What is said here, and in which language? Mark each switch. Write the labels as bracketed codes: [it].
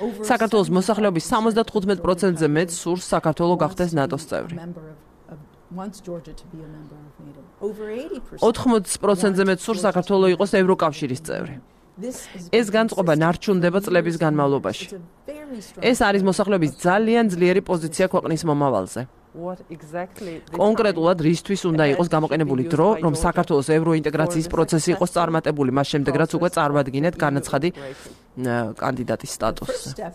[ka] საქართველოს მოსახლეობის 75%-ზე მეტ სურს საქართველო გახდეს ნატოს წევრი. [en] Wants Georgia to be a member of NATO. Over 80%-ზე [ka] მეტ სურს საქართველოს იყოს ევროკავშირის წევრი. ეს განწყობა ნარჩუნდება წლების განმავლობაში. ეს არის მოსახლეობის ძალიან ძლიერი პოზიცია ქვეყნის მომავალზე. კონკრეტულად რისთვის უნდა იყოს გამოყენებული დრო, რომ საქართველოს ევროინტეგრაციის პროცესი იყოს წარმატებული, მას შემდეგ რაც უკვე წარმოადგენთ განაცხადი კანდიდატის სტატუსზე?